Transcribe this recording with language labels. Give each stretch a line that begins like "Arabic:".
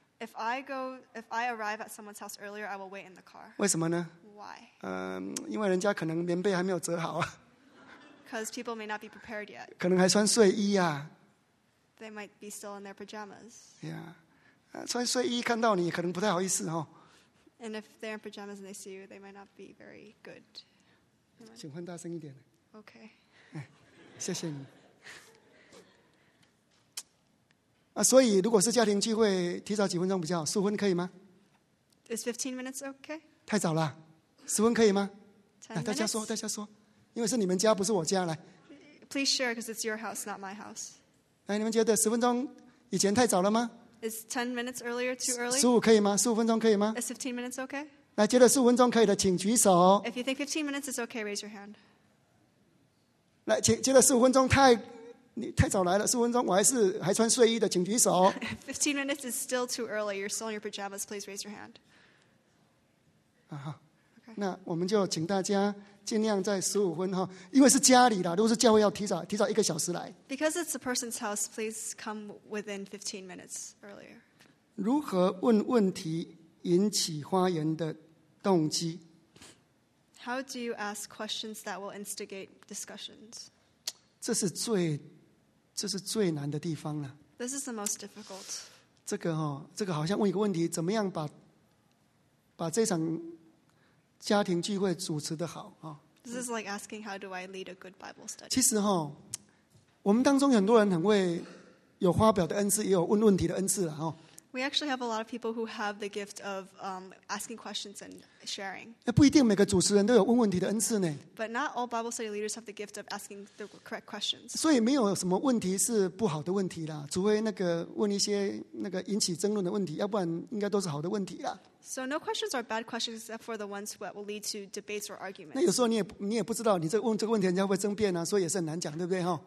English: If I arrive at someone's house earlier, I will wait in the car.
Chinese: 为什么呢?
English: Why?
Chinese: 因为人家可能棉被还没有折好啊。
English: Because people may not be prepared yet.
Chinese: 可能还穿睡衣啊。
English: They might be still in their pajamas. Yeah.
Chinese: 穿睡衣看到你可能不太好意思哦。
English: And if they're in pajamas and they see you, they might not be very good.
Chinese: 请换大声一点。
English: Okay.
Chinese: 谢谢你。啊、所以如果是家庭聚会提早几分钟比较好15分可以吗
English: Is 15 minutes okay?
Chinese: 太早了10分可以吗
English: 10 minutes?
Chinese: 大家说大家说因为是你们家不是我家来
English: Please share because it's your house not my house
Chinese: 来你们觉得10分钟以前太早了吗
English: Is 10 minutes earlier too early?
Chinese: 15可以吗15分钟可以吗
English: Is 15 minutes okay?
Chinese: 来觉得15分钟可以的请举手
English: If you think 15 minutes is okay raise your hand
Chinese: 来请觉得15分钟你太早来了，15分钟，我还穿睡衣的，请举手。
English: 15 minutes is still too early. You're still in your pajamas. Please raise your hand. 啊哈， okay.
Chinese: 那我们就请大家尽量在15分哈，因为是家里的，如果是教会要提早一个小时来。
English: Because it's a person's house, please come within 15 minutes earlier.
Chinese: 如何问问题引起发言的动机
English: ？How do you ask questions that will instigate discussions？
Chinese: 这是最难的地方了。
English: This is the most difficult.
Chinese: 这个哈、哦，这个好像问一个问题：怎么样把这场家庭聚会主持的好啊、
English: 哦、？This is like asking how do I lead a good Bible study.
Chinese: 其实哈、哦，我们当中很多人很会有发表的恩赐，也有问问题的恩赐了哈、哦。
English: We actually have a lot of people who have the gift of asking questions and sharing.
Chinese: 不一定每个主持人都有问问题的恩赐呢。
English: But not all Bible study leaders have the gift of asking the correct questions.
Chinese: 所以没有什么问题是不好的问题啦，除非那个问一些那个引起争论的问题，要不然应该都是好的问题啦。
English: So no questions are bad questions except for the ones that will lead to debates or arguments.
Chinese: 那有时候你也不知道你这问这个问题人家会争辩啊，所以也是很难讲，对不对哈